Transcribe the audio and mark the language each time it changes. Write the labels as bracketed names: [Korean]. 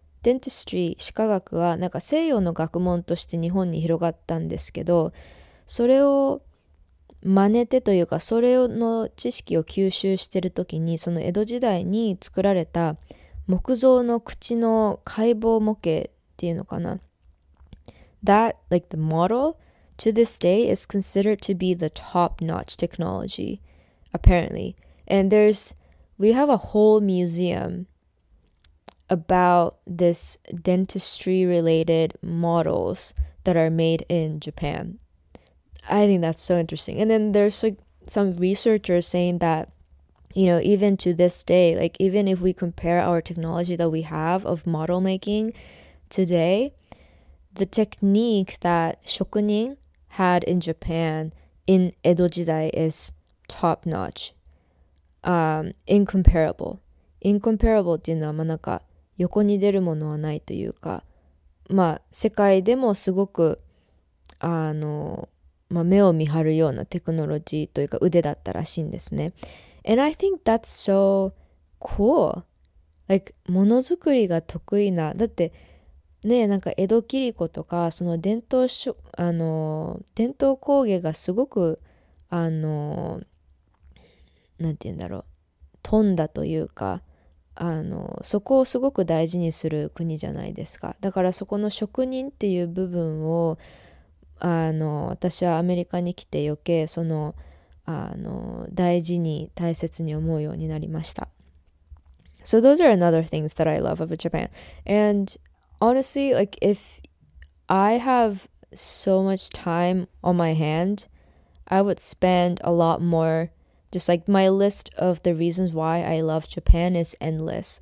[Japanese] デンティストリー、歯科学はなんか西洋の学問として日本に広がったんですけど、それを真似てというか、それの知識を吸収してる時に、その江戸時代に作られた木造の口の解剖模型っていうのかな。 [English] That, like the model, to this day is considered to be the top-notch technology, apparently. And we have a whole museum about this dentistry-related models that are made in Japan. I think that's so interesting. And then there's like some researchers saying that, even to this day, like even if we compare our technology that we have of model making today, the technique that shokunin had in Japan in Edo Jidai is top-notch, incomparable. [Japanese] Incomparable っていうのはまあなんか横に出るものはないというか、まあ世界でもすごく目を見張るようなテクノロジーというか腕だったらしいんですね。 [English] And I think that's so cool. Like [Japanese] ものづくりが得意な、だってね、なんか江戸切子とかその伝統しょ、あの伝統工芸がすごくなんて言うんだろう、富んだというか、そこをすごく大事にする国じゃないですか。だからそこの職人っていう部分を私はアメリカに来て余計その大事に大切に思うようになりました。 [English] So those are another things that I love about Japan. And honestly, like if I have so much time on my hand, I would spend a lot more. Just like my list of the reasons why I love Japan is endless.